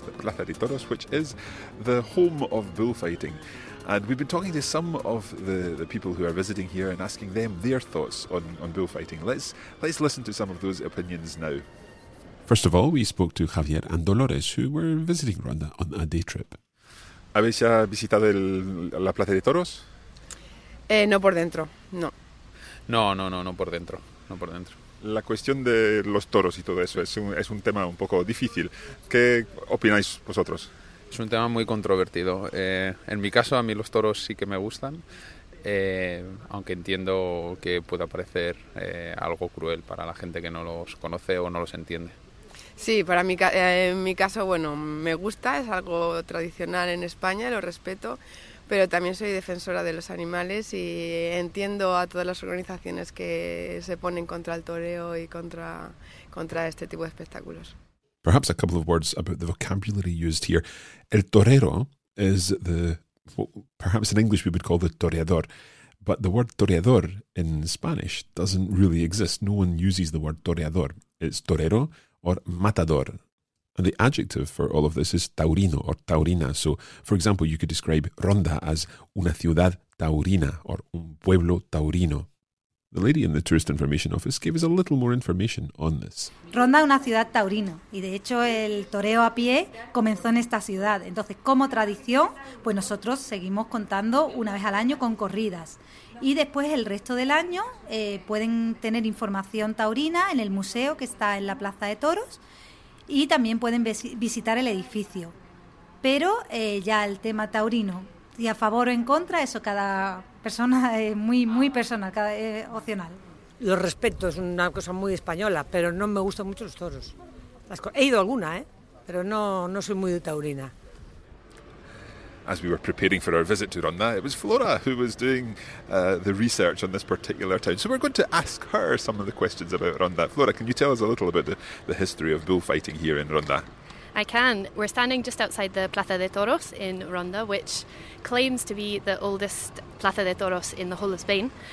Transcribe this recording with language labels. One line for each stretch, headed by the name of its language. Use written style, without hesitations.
English: The Plaza de Toros, which is the home of bullfighting. And we've been talking to some of the people who are visiting here and asking them their thoughts on bullfighting. Let's listen to some of those opinions now. First of all, we spoke to Javier and Dolores, who were visiting Ronda on a day trip.
Spanish: ¿Habéis ya visitado la Plaza de Toros? No por dentro, no. No, por dentro. No por dentro. La cuestión de los toros y todo eso es un tema un poco difícil. ¿Qué opináis vosotros? Es un tema muy controvertido. En mi caso, a mí los toros sí que me gustan, aunque entiendo que pueda parecer algo cruel para la gente que no los conoce o no los entiende. Sí, para mí, en mi caso, bueno, me gusta, es algo tradicional en España, lo respeto. Pero también soy defensora de los animales y entiendo a todas las organizaciones que se ponen contra el toreo y contra este tipo de espectáculos.
English: Perhaps a couple of words about the vocabulary used here. El torero is the, perhaps in English we would call the toreador, but the word toreador in Spanish doesn't really exist. No one uses the word toreador. It's torero or matador. And the adjective for all of this is taurino or taurina. So, for example, you could describe Ronda as
Spanish: una ciudad taurina
English: or
Spanish: un pueblo taurino.
English: The lady in the tourist information office gave us a little more information on this.
Spanish: Ronda es una ciudad taurina y de hecho el toreo a pie comenzó en esta ciudad. Entonces, como tradición, pues nosotros seguimos contando una vez al año con corridas. Y después el resto del año pueden tener información taurina en el museo que está en la Plaza de Toros y también pueden visitar el edificio. Pero ya el tema taurino, y a favor o en contra, eso cada persona es muy, muy personal, cada opcional. Lo respeto, es una cosa muy española, pero no me gustan mucho los toros. He ido alguna, pero no soy muy de taurina.
English: As we were preparing for our visit to Ronda, it was Flora who was doing the research on this particular town. So we're going to ask her some of the questions about Ronda. Flora, can you tell us a little about the history of bullfighting here in Ronda? I can. We're standing just outside the Plaza de Toros in Ronda, which claims to be the oldest Plaza de Toros in the whole of Spain.